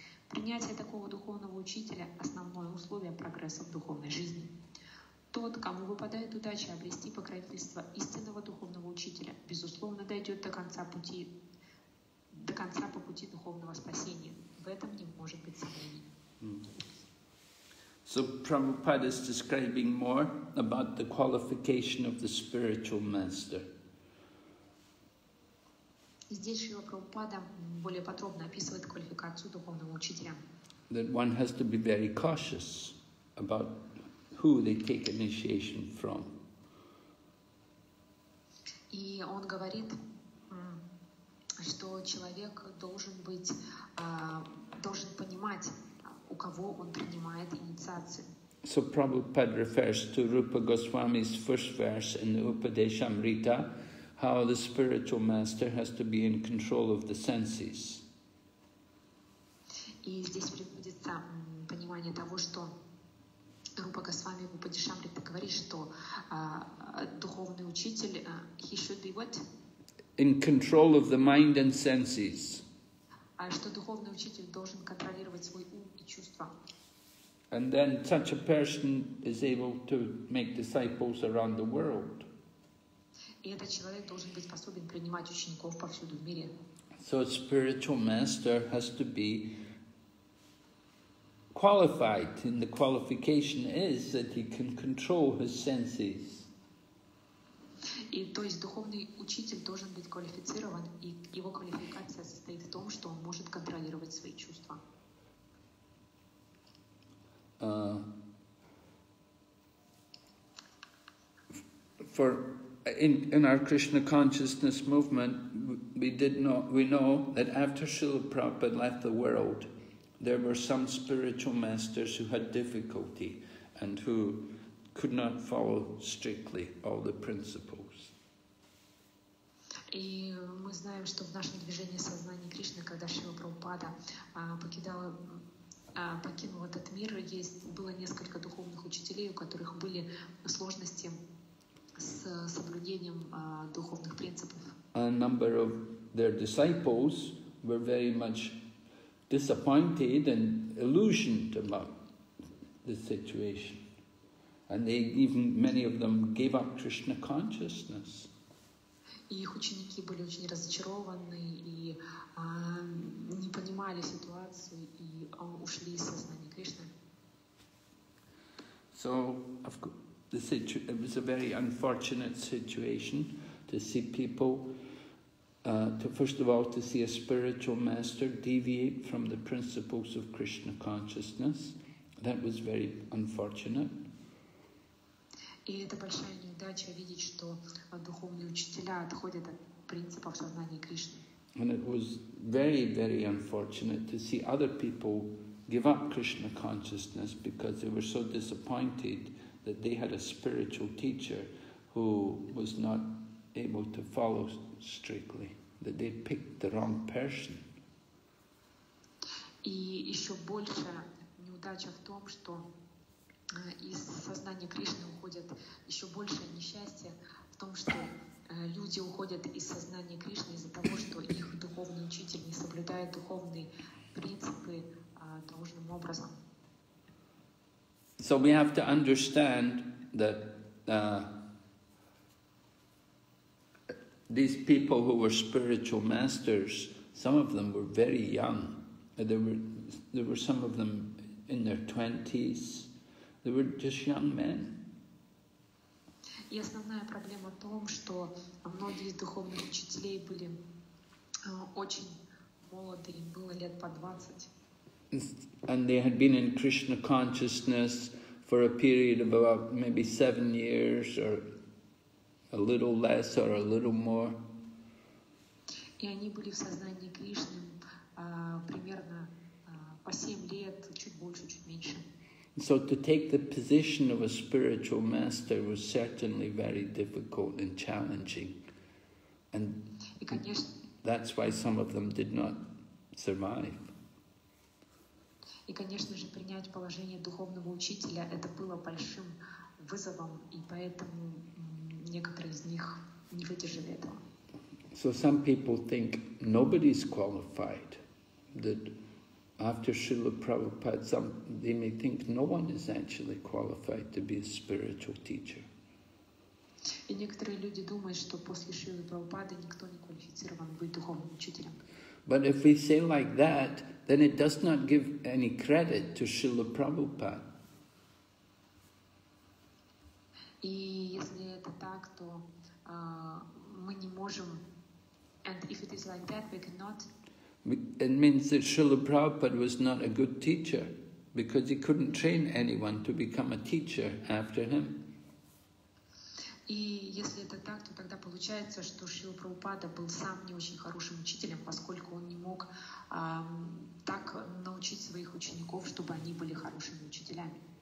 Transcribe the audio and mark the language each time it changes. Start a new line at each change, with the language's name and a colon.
Russian: Принятие такого духовного учителя – основное условие прогресса в духовной жизни. Тот, кому выпадает удача обрести покровительство истинного духовного учителя, безусловно, дойдет до конца пути духовного спасения. В этом не может быть сомнений.
English: So Prabhupada is describing more about the qualification of the spiritual master.
Russian: Здесь Шрила Прабхупада более подробно описывает квалификацию духовного учителя.
English: That one has to be very cautious about who they take initiation from.
Russian: И он говорит, что человек должен быть, должен понимать, у кого он принимает инициацию.
English: So Prabhupada refers to Rupa Goswami's first verse in the Upadeshamrita, how the spiritual master has to be in control of the senses.
Russian: И здесь приводится понимание того, что Рупа Госвами в Упадешамрита говорит, что духовный учитель,
English: he should be what? In control of the mind and senses.
Russian: что духовный учитель должен контролировать свой ум и чувства.
English: And then such a person is able to make disciples around the world.
Russian: И этот человек должен быть способен принимать учеников повсюду в мире.
English: So a spiritual master has to be qualified, and the qualification is that he can control his senses.
Russian: И то есть духовный учитель должен быть квалифицирован, и его квалификация состоит в том, что он может контролировать свои чувства.
English: For in our Krishna consciousness movement, we know that after Srila Prabhupada left the world, there were some spiritual masters who had difficulty and who could not follow strictly all the principles.
Russian: И мы знаем, что в нашем движении сознания Кришны, когда Шрила Прабхупада покинул этот мир, было несколько духовных учителей, у которых были сложности с соблюдением духовных принципов.
English: A number of their disciples were very much disappointed and illusioned about the situation. And they even many of them gave up Krishna consciousness.
Russian: И их ученики были очень разочарованы и не понимали ситуацию и ушли из сознания Кришны.
English: So of course it was a very unfortunate situation to see people to see a spiritual master deviate from the principles of Krishna consciousness. That was very unfortunate.
Russian: И это большая неудача видеть, что духовные учителя отходят от принципов сознания Кришны.
English: And it was very, very unfortunate to see other people give up Krishna consciousness because they were so disappointed that they had a spiritual teacher who was not able to follow strictly, that they picked the wrong person.
Russian: И еще больше неудача в том, что из сознания Кришны уходят еще больше несчастья в том, что люди уходят из сознания Кришны из-за того, что их духовный учитель не соблюдает духовные принципы должным образом.
English: So we have to understand that these people who were spiritual masters, some of them were very young. There were some of them in their 20s. They were just young men.
Russian: И основная проблема в том, что многие из духовных учителей были очень молоды, им было лет по 20.
English: And they had been in Krishna consciousness for a period of about maybe 7 years or a little less or a little more.
Russian: И они были в сознании Кришны примерно по 7 лет, чуть больше, чуть меньше.
English: So to take the position of a spiritual master was certainly very difficult and challenging. And that's why some of them did not survive.
Russian: И, конечно же, принять положение духовного учителя это было большим вызовом, и поэтому некоторые из них не выдержали этого.
English: So some people think nobody's qualified, that after Srila Prabhupada, they may think no one is actually qualified to be a spiritual teacher.
Russian: И некоторые люди думают, что после Шрилы Прабхупады никто не квалифицирован быть духовным учителем.
English: But if we say like that, then it does not give any credit to Srila Prabhupada.
Russian: И если это так, то мы не можем.
English: And if it is like that, we cannot. It means that Srila Prabhupada was not a good teacher because he couldn't train anyone to become a teacher after him.
Russian: И если это так, то тогда получается, что Шрила Прабхупада был сам не очень хорошим учителем, поскольку он не мог так научить своих учеников, чтобы они были хорошими учителями.